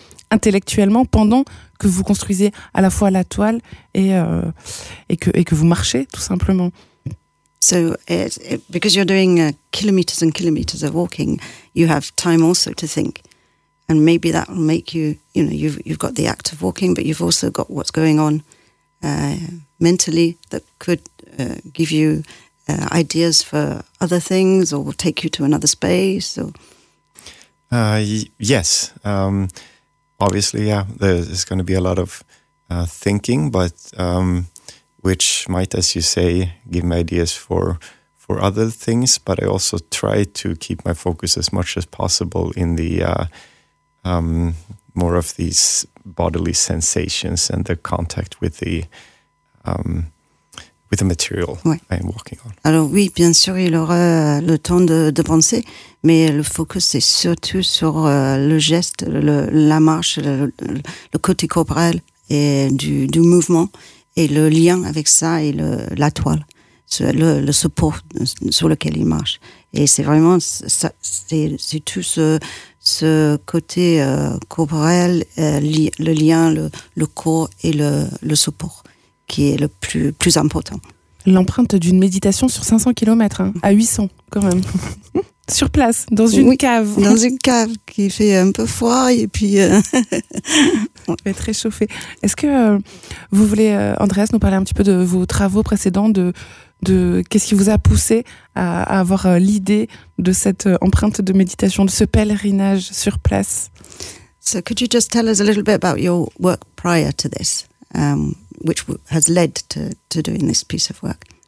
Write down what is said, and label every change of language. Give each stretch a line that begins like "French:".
French: intellectuellement pendant que vous construisez à la fois la toile et que vous marchez, tout simplement.
English: So, because you're doing kilometers and kilometers of walking, you have time also to think. And maybe that will make you, you know, you've got the act of walking, but you've also got what's going on mentally that could give you ideas for other things or take you to another space. Or Yes. Obviously, yeah, there's going to be a lot of thinking, but... which might, as you say, give me ideas for other things, but I also try to keep my focus as much as possible in the more of these bodily sensations and the contact with the material ouais. I'm walking on.
French: Alors oui, bien sûr, il aura le temps de penser, mais le focus est surtout sur le geste, la marche, le côté corporel et du mouvement. Et le lien avec ça et la toile, le support sur lequel il marche. Et c'est vraiment, c'est tout ce côté corporel, le lien, le corps et le support qui est le plus important. L'empreinte d'une méditation sur 500 km, hein, à 800 quand même. Sur place, dans une oui, cave. Dans une cave qui fait un peu froid et puis... On va être réchauffé. Est-ce que vous voulez, Andreas, nous parler un petit peu de vos travaux précédents, de qu'est-ce qui vous a poussé à avoir l'idée de cette empreinte de méditation, de ce pèlerinage sur place?
English: So could you just tell us a little bit about your work prior to this, which has led to doing this piece of work?